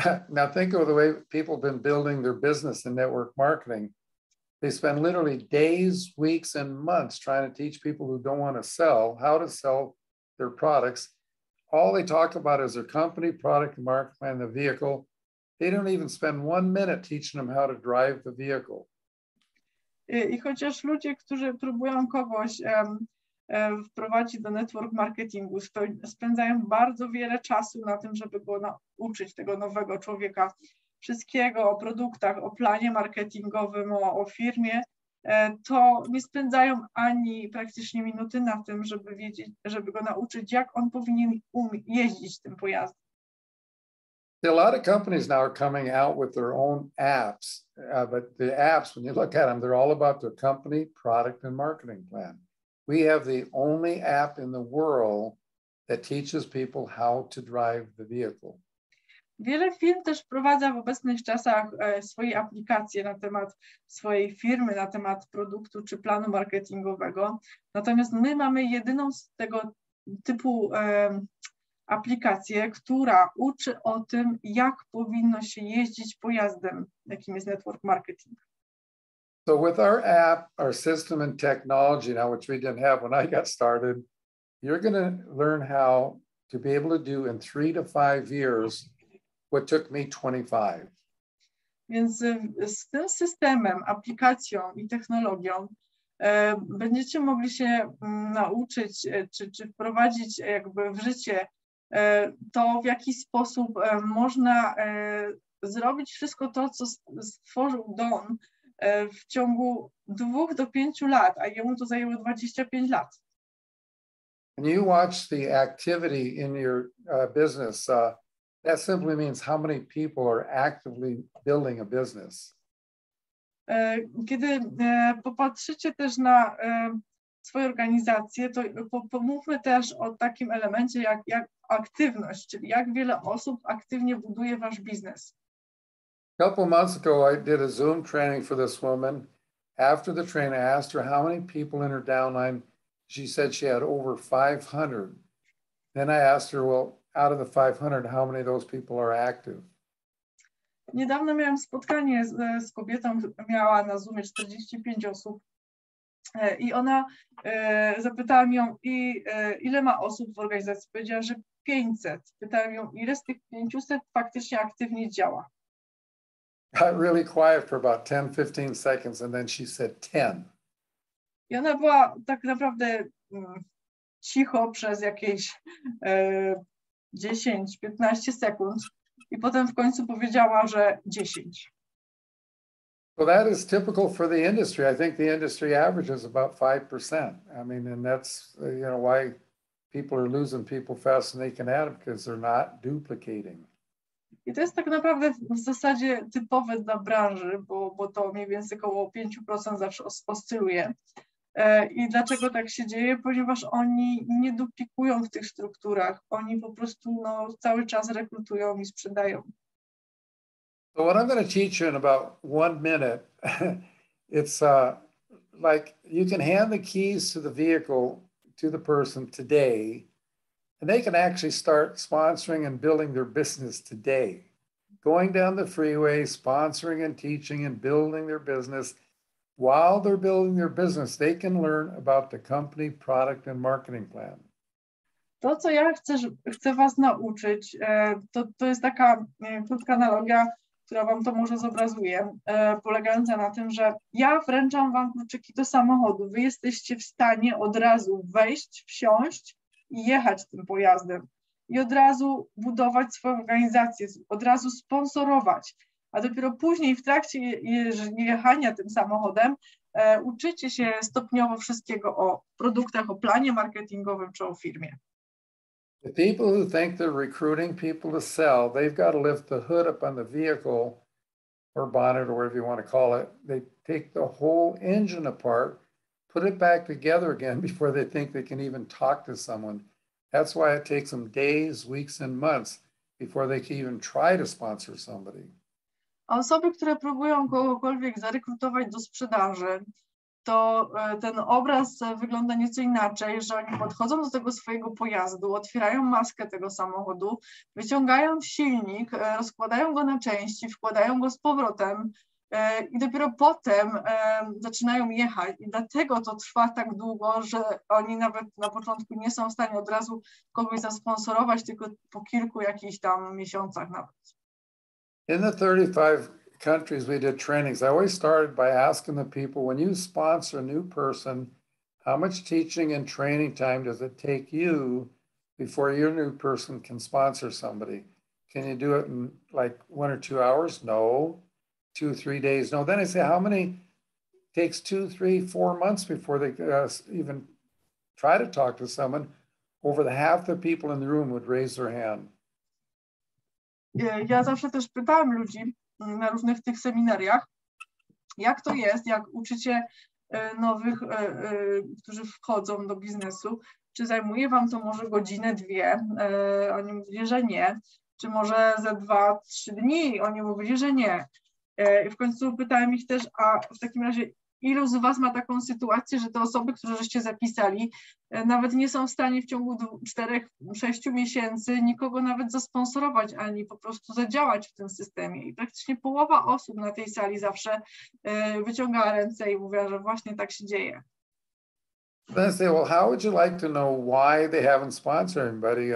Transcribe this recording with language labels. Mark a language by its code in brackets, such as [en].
[en] Now think of the way people have been building their business in network marketing. They spend literally days, weeks and months trying to teach people who don't want to sell how to sell their products. All they talk about is their company, product, market plan, the vehicle. They don't even spend one minute teaching them how to drive the vehicle. [pl] I chociaż ludzie, którzy próbują kogoś wprowadzić do network marketingu, spędzają bardzo wiele czasu na tym, żeby go nauczyć, tego nowego człowieka, wszystkiego o produktach, o planie marketingowym, o firmie, to nie spędzają ani praktycznie minuty na tym, żeby wiedzieć, żeby go nauczyć, jak on powinien jeździć tym pojazdem. [en] A lot of companies now are coming out with their own apps, but the apps, when you look at them, they're all about their company, product and marketing plan. We have the only app in the world that teaches people how to drive the vehicle. [pl] Wiele firm też wprowadza w obecnych czasach swoje aplikacje na temat swojej firmy, na temat produktu czy planu marketingowego. Natomiast my mamy jedyną z tego typu aplikację, która uczy o tym, jak powinno się jeździć pojazdem, jakim jest network marketing. [en] So with our app, our system and technology now, which we didn't have when I got started, you're going to learn how to be able to do in 3 to 5 years what took me 25. [pl] Więc z tym systemem, aplikacją i technologią będziecie mogli się nauczyć czy wprowadzić jakby w życie to, w jaki sposób można zrobić wszystko to, co stworzył Don w ciągu 2 do 5 lat, a jemu to zajęło 25 lat. [en] And you watch the activity in your business. That simply means how many people are actively building a business. [pl] Kiedy popatrzycie też na swoją organizację, to pomówmy też o takim elemencie jak aktywność, czyli jak wiele osób aktywnie buduje wasz biznes. [en] A couple months ago, I did a Zoom training for this woman. After the training, I asked her how many people in her downline. She said she had over 500. Then I asked her, well, out of the 500, how many of those people are active? [pl] Niedawno miałam spotkanie z kobietą, miała na Zoomie 45 osób. I ona zapytała ją, ile ma osób w organizacji. Powiedziała, że 500. Pytałam ją, ile z tych 500 faktycznie aktywnie działa. [en] Got really quiet for about 10-15 seconds and then she said 10. [pl] I ona była tak naprawdę cicho przez jakieś 10-15 sekund i potem w końcu powiedziała, że 10. [en] Well, that is typical for the industry. I think the industry average is about 5%. I mean, and that's, you know, why people are losing people faster than they can add them, because they're not duplicating. [pl] I to jest tak naprawdę w zasadzie typowe dla branży, bo to mniej więcej około 5% zawsze oscyluje. I dlaczego tak się dzieje? Ponieważ oni nie duplikują w tych strukturach. Oni po prostu no, cały czas rekrutują i sprzedają. [en] So what I'm going to teach you in about 1 minute, it's like you can hand the keys to the vehicle to the person today, and they can actually start sponsoring and building their business today. Going down the freeway, sponsoring and teaching and building their business. While they're building their business, they can learn about the company, product and marketing plan. [pl] To, co ja chcę was nauczyć, to jest taka krótka analogia, która wam to może zobrazuje, polegająca na tym, że ja wręczam wam kluczyki do samochodu. Wy jesteście w stanie od razu wejść, wsiąść i jechać tym pojazdem i od razu budować swoją organizację, od razu sponsorować, a dopiero później w trakcie jechania tym samochodem uczycie się stopniowo wszystkiego o produktach, o planie marketingowym czy o firmie. [en] The people who think they're recruiting people to sell, they've got to lift the hood up on the vehicle or bonnet or whatever you want to call it. They take the whole engine apart, put it back together again before they think they can even talk to someone. That's why it takes them days, weeks and months before they can even try to sponsor somebody. [pl] A osoby, które próbują kogokolwiek zarekrutować do sprzedaży, to ten obraz wygląda nieco inaczej, że oni podchodzą do tego swojego pojazdu, otwierają maskę tego samochodu, wyciągają silnik, rozkładają go na części, wkładają go z powrotem i dopiero potem zaczynają jechać. I dlatego to trwa tak długo, że oni nawet na początku nie są w stanie od razu kogoś zasponsorować, tylko po kilku jakichś tam miesiącach nawet. [en] In the 35 countries we did trainings, I always started by asking the people, when you sponsor a new person, how much teaching and training time does it take you before your new person can sponsor somebody? Can you do it in like 1 or 2 hours? No. 2 or 3 days? No. Then I say, how many takes 2, 3, 4 months before they even try to talk to someone? Over the half the people in the room would raise their hand. [pl] Ja zawsze też pytałam ludzi na różnych tych seminariach, jak to jest, jak uczycie nowych, którzy wchodzą do biznesu, czy zajmuje wam to może godzinę, dwie, oni mówili, że nie, czy może za 2, 3 dni, oni mówili, że nie. I w końcu pytałem ich też, a w takim razie ilu z was ma taką sytuację, że te osoby, które żeście zapisali, nawet nie są w stanie w ciągu 4, 6 miesięcy nikogo nawet zasponsorować, ani po prostu zadziałać w tym systemie. I praktycznie połowa osób na tej sali zawsze wyciągała ręce i mówiła, że właśnie tak się dzieje. [en] Then I say, well, how would you like to know why they haven't sponsored anybody?